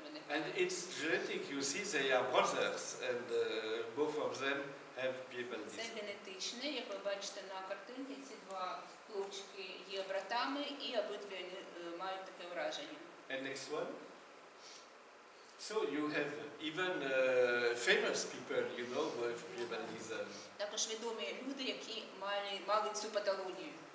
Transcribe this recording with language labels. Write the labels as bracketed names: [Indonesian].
[English] And it's genetic, you see, they are brothers, and both of them have piebaldism. [Ukrainian] Це генетичне, як ви бачите на картинці, ці два хлопчики є братами, і обидві мають таке враження. [English] And next one. So you have even famous people, you know, with piebaldism. [Ukrainian] Також відомі люди, які мали цю патологію.